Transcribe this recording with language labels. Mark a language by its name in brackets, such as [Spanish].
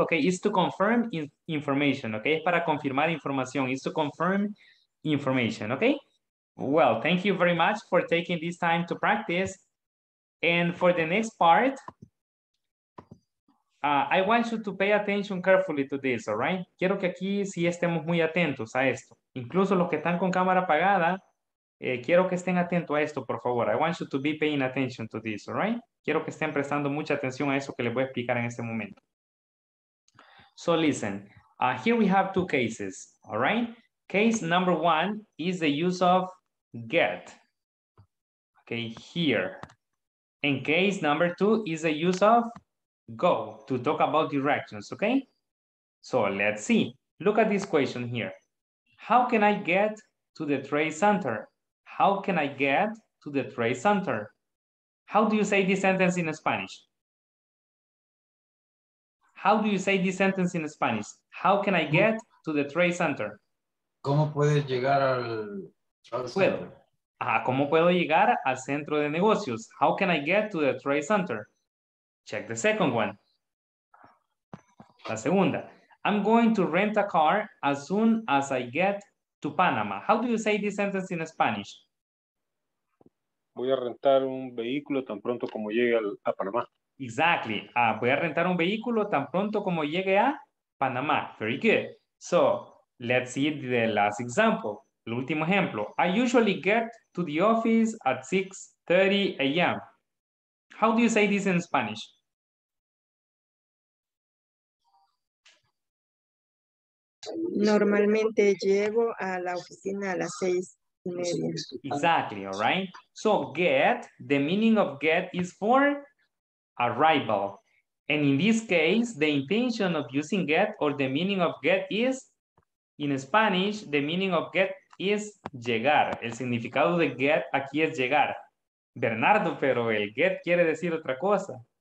[English] Okay, it's to confirm information, okay? [Spanish] Para confirmar información, [English] it's to confirm information, okay? Well, thank you very much for taking this time to practice. And for the next part, I want you to pay attention carefully to this, all right? [Spanish] Quiero que aquí sí estemos muy atentos a esto. Incluso los que están con cámara apagada, quiero que estén atentos a esto, por favor. [English] I want you to be paying attention to this, all right? [Spanish] Quiero que estén prestando mucha atención a eso que les voy a explicar en este momento. [English] So listen, here we have two cases, all right? Case number one is the use of get. Okay, here. And case number two is the use of go, to talk about directions, okay? So let's see. Look at this question here. How can I get to the trade center? How can I get to the trade center? How do you say this sentence in Spanish? How do you say this sentence in Spanish? How can I get to the trade center? [Spanish] ¿Cómo puedes llegar al centro? ¿Cómo puedo llegar al centro de negocios? [English] How can I get to the trade center? Check the second one. [Spanish] La segunda. [English] I'm going to rent a car as soon as I get to Panama. How do you say this sentence in Spanish? [Spanish] Voy a rentar un vehículo tan pronto como llegue a Panamá. [English] Exactly. [Spanish] Voy a rentar un vehículo tan pronto como llegue a Panamá. [English] Very good. So, let's see the last example. [Spanish] El último ejemplo. [English] I usually get to the office at 6:30 a.m. How do you say this in Spanish? [Spanish] Normalmente llego a la oficina a las 6:30. [English] Exactly, all right? So get, the meaning of get is for arrival. And in this case, the intention of using get or the meaning of get is, in Spanish, the meaning of get is llegar. [Spanish] El significado de get aquí es llegar. Bernardo, pero el get quiere decir otra cosa.